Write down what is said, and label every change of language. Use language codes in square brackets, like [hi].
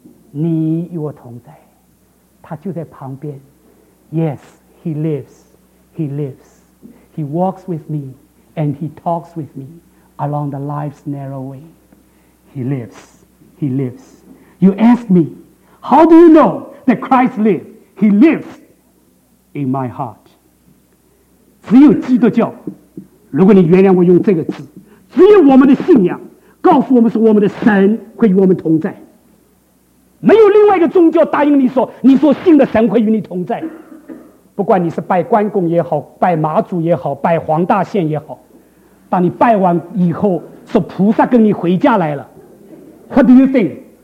[zh] 你与我同在，他就在旁边。 [en] Yes, he lives, he lives, he walks with me and he talks with me along the life's narrow way. He lives, he lives. You ask me, how do you know that Christ lives? He lives in my heart. [zh] 只有基督教，如果你原谅我用这个字，只有我们的信仰告诉我们，是我们的神会与我们同在。没有另外一个宗教答应你说，你所信的神会与你同在。不管你是拜关公也好，拜马祖也好，拜黄大仙也好，当你拜完以后说菩萨跟你回家来了， [en] What do you think?